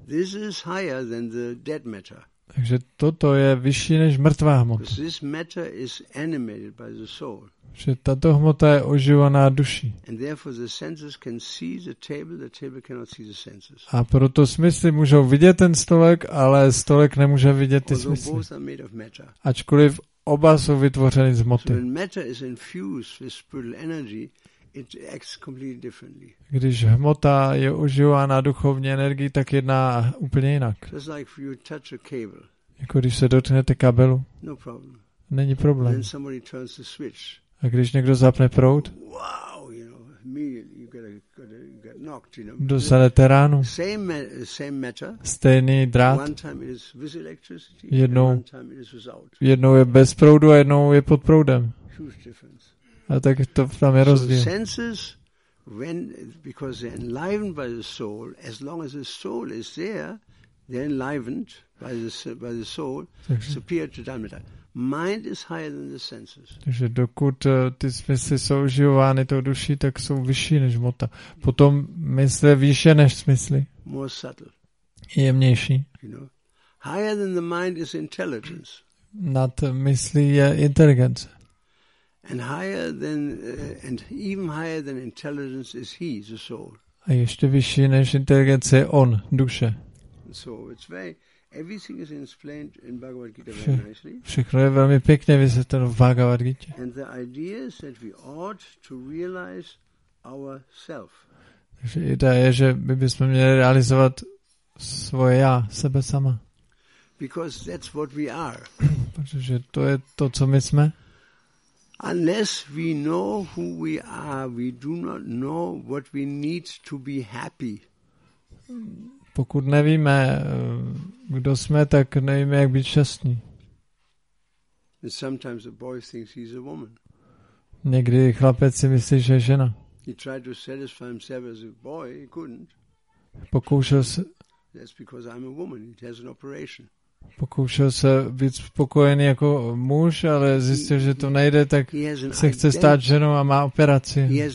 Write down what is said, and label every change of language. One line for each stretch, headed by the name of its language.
English: This is higher than the dead matter.
Czech: Takže toto je vyšší než mrtvá hmota.
English: Because this matter is animated by the soul.
Czech: Že tato hmota je oživaná duší.
English: And therefore the senses can see the table cannot see the senses.
Czech: A proto smysly můžou vidět ten stolek, ale stolek nemůže vidět ty smysly.
English: Although both are made of matter.
Czech: Ačkoliv oba jsou vytvořeny z hmoty.
English: So when matter is infused with spiritual energy, it acts completely differently.
Czech: Když hmota je užívána duchovní energii, tak jedná úplně jinak.
English: Just like you touch a cable.
Czech: Jako když se dotknete kabelu.
English: No problem.
Czech: Není problém.
English: Then somebody turns the switch.
Czech: A když někdo zapne proud?
English: Wow, you know, immediately you get knocked, you know.
Czech: Dostanete ránu.
English: Same matter.
Czech: Stejný drát.
English: One time it is with electricity.
Czech: Jednou,
English: one time it is without.
Czech: Jednou je bez proudu a jednou je pod proudem.
English: Huge difference.
Czech: A tak to tam je rozdíl.
English: So senses, when because they're enlivened by the soul, as long as the soul is there, they're enlivened by the soul, superior to dhammata. Mind is higher than the senses.
Czech: Takže dokud ty smysly jsou uživovány tou duší, tak jsou vyšší než hmota. Potom mysl je vyšší než smysly.
English: More subtle.
Czech: Jemnější.
English: You know, higher than the mind is intelligence.
Czech: Nad myslí je inteligence.
English: And higher than and even higher than intelligence is he, the soul.
Czech: A ještě vyšší než inteligence je on, duše.
English: So it's very everything is explained in Bhagavad Gita very nicely.
Czech: Všechno je velmi pěkně vysvětleno v Bhagavad Gita.
English: And the idea is that we ought to realize our self.
Czech: Takže idea je, že my bychom měli realizovat svoje já, sebe sama.
English: Because that's what we are.
Czech: Protože to je to, co my jsme.
English: Unless we know who we are, we do not know what we need to be happy.
Czech: Pokud nevíme, kdo jsme, tak nevíme, jak být šťastní.
English: And sometimes a boy thinks he's a woman.
Czech: Někdy chlapec si myslí, že je žena.
English: He tried to satisfy himself as a boy, he couldn't.
Czech: Pokoušel se.
English: That's because I'm a woman. It has an operation.
Czech: Pokoušel se být spokojený jako muž, ale zjistil, že to nejde, tak se chce stát ženou a má operaci.